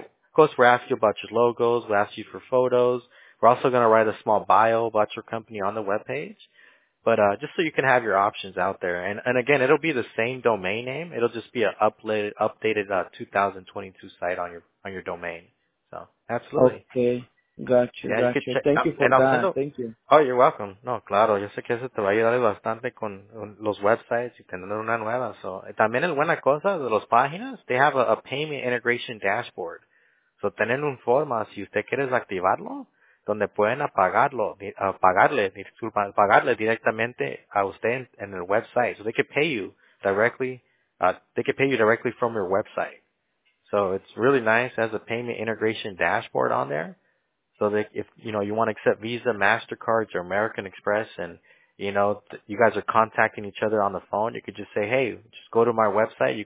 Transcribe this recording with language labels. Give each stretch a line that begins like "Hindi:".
English: Of course, we'll ask you about your logos. We'll ask you for photos. We're also going to write a small bio about your company on the webpage. But just so you can have your options out there. And again, it'll be the same domain name. It'll just be an updated 2022 site on your domain. So, absolutely. Okay. Gotcha. Yeah, gotcha. Thank you for that. Oh, you're welcome.
Spanish: No, claro. Yo sé que eso te va a ayudar bastante con los websites y tener una nueva. So, también es buena cosa de los páginas.
English: They have a payment integration dashboard.
Spanish: So, tener un forma, si usted quiere activarlo, donde pueden pagarle directamente a usted en el website.
English: So, they could pay you directly from your website. So, it's really nice. It has a payment integration dashboard on there. So that if, you know, you want to accept Visa, MasterCards, or American Express, and, you know, you guys are contacting each other on the phone, you could just say, hey, just go to my website.